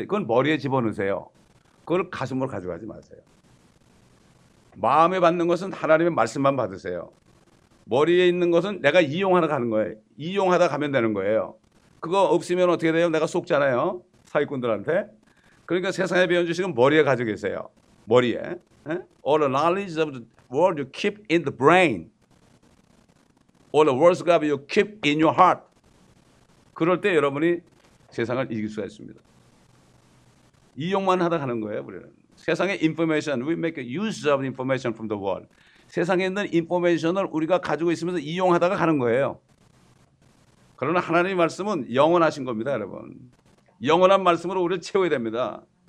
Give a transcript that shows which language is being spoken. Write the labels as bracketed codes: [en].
[ko] 그건 머리에 집어넣으세요. 그걸 가슴으로 가져가지 마세요. 마음에 받는 것은 하나님의 말씀만 받으세요. 머리에 있는 것은 내가 이용하러 가는 거예요. 이용하다 가면 되는 거예요. 그거 없으면 어떻게 돼요? 내가 속잖아요. 사기꾼들한테. 그러니까 세상에 배운 지식은 머리에 가지고 계세요. 머리에. [en] All the knowledge of the world you keep in the brain. All the words of God you keep in your heart. [ko] 그럴 때 여러분이 세상을 이길 수가 있습니다. 이용만 하다 가는 거예요, 우리는. 세상의 [en] information, we make a use of information from the world. [ko] 세상에 있는 information을 우리가 가지고 있으면서 이용하다가 가는 거예요. 그러나 하나님의 말씀은 영원하신 겁니다, 여러분. 영원한 말씀으로 우리를 채워야 됩니다.